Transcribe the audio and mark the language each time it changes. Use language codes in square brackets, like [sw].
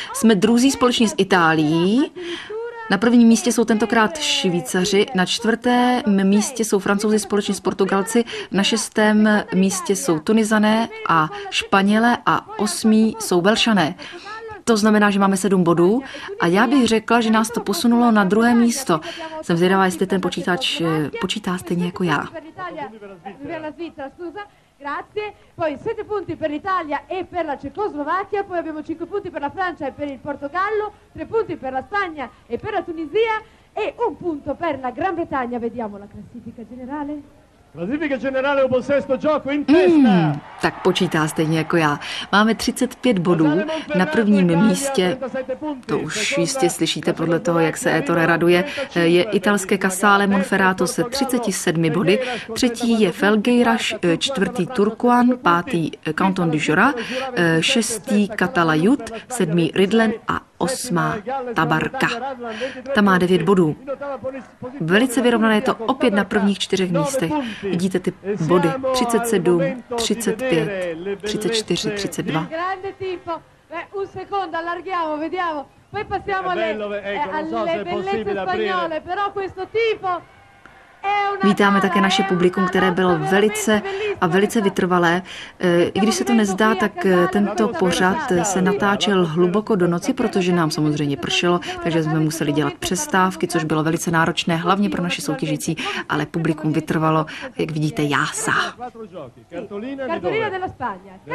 [cs] Jsme druzí společně s Itálií. Na prvním místě jsou tentokrát Švýcaři, na čtvrtém místě jsou Francouzi společně s Portugalci, na šestém místě jsou Tunizané a Španělé a osmí jsou Velšané. To znamená, že máme 7 bodů a já bych řekla, že nás to posunulo na druhé místo. Jsem zvědavá, jestli ten počítač počítá stejně jako já. [it] Grazie. Poi 7 punti per l'Italia e per la Cecoslovacchia, poi abbiamo 5 punti per la Francia e per il Portogallo, 3 punti per la Spagna e per la Tunisia e 1 punto per la Gran Bretagna. Vediamo la classifica generale. Classifica generale dopo sesto gioco in testa. [cs] Tak počítá stejně jako já. Máme 35 bodů. Na prvním místě, to už jistě slyšíte podle toho, jak se Ettore raduje, je italské Casale Monferrato se 37 body. Třetí je Felgueira, čtvrtý Turkuan, pátý Canton du Jura, šestý Catala Jud, sedmý Ridlen a osmá Tabarka. Ta má 9 bodů. Velice vyrovnané je to opět na prvních 4 místech. Vidíte ty body 37, 35, 34, 32. [it] Grande tipo. Un secondo, allarghiamo, vediamo. Poi passiamo alle bellezze spagnole, però questo tipo. [cs] Vítáme také naše publikum, které bylo velice a velice vytrvalé. I když se to nezdá, tak tento pořad se natáčel hluboko do noci, protože nám samozřejmě pršelo, takže jsme museli dělat přestávky, což bylo velice náročné, hlavně pro naše soutěžící, ale publikum vytrvalo, jak vidíte, jása. [it] Cartolina della Spagna.